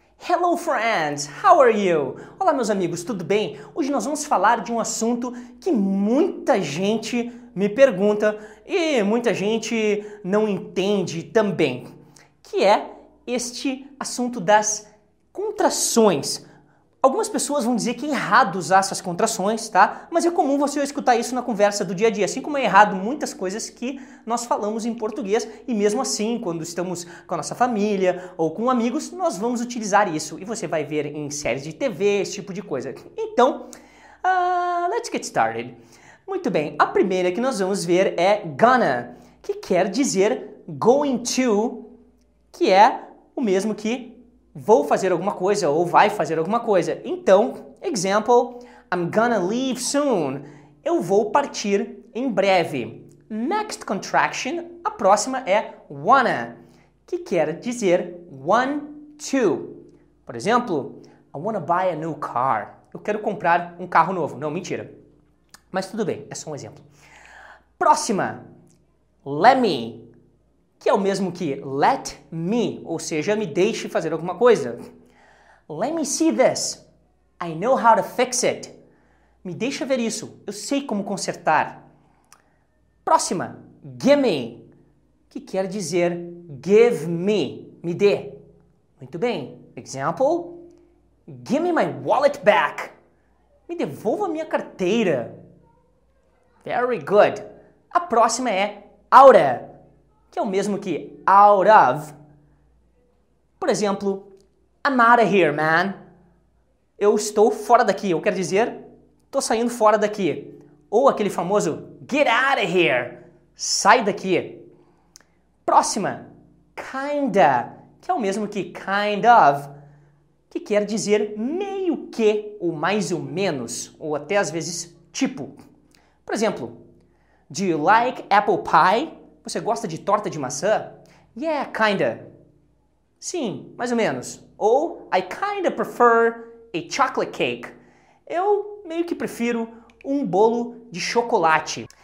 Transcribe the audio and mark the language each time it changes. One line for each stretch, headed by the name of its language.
English: Hello friends, how are you?
Portuguese: Olá meus amigos, tudo bem? Hoje nós vamos falar de um assunto que muita gente me pergunta e muita gente não entende também, que é este assunto das contrações. Algumas pessoas vão dizer que é errado usar essas contrações, tá? Mas é comum você escutar isso na conversa do dia a dia, assim como é errado muitas coisas que nós falamos em português e mesmo assim, quando estamos com a nossa família ou com amigos, nós vamos utilizar isso e você vai ver em séries de TV, esse tipo de coisa. Então,
English: let's get started.
Portuguese: Muito bem, a primeira que nós vamos ver é gonna, que quer dizer
English: going to,
Portuguese: que é o mesmo que vou fazer alguma coisa ou vai fazer alguma coisa. Então,
English: example, I'm gonna leave soon.
Portuguese: Eu vou partir em breve. Next contraction, a próxima é wanna, que quer dizer
English: want to.
Portuguese: Por exemplo,
English: I wanna buy a new car.
Portuguese: Eu quero comprar um carro novo. Não, mentira. Mas tudo bem, é só um exemplo. Próxima, let me, que é o mesmo que let me, ou seja, me deixe fazer alguma coisa.
English: Let me see this. I know how to fix it.
Portuguese: Me deixa ver isso. Eu sei como consertar. Próxima, gimme, que quer dizer
English: give me,
Portuguese: me dê. Muito bem.
English: Example, gimme my wallet back.
Portuguese: Me devolva minha carteira.
English: Very good.
Portuguese: A próxima é outa, que é o mesmo que
English: out of.
Portuguese: Por exemplo,
English: I'm out of here, man.
Portuguese: Eu estou fora daqui. Eu quero dizer, estou saindo fora daqui. Ou aquele famoso,
English: get out of here.
Portuguese: Sai daqui. Próxima, kinda, que é o mesmo que
English: kind of,
Portuguese: que quer dizer meio que, ou mais ou menos, ou até às vezes tipo. Por exemplo,
English: do you like apple pie?
Portuguese: Você gosta de torta de maçã?
English: Yeah, kinda.
Portuguese: Sim, mais ou menos.
English: Ou, I kinda prefer a chocolate cake.
Portuguese: Eu meio que prefiro um bolo de chocolate.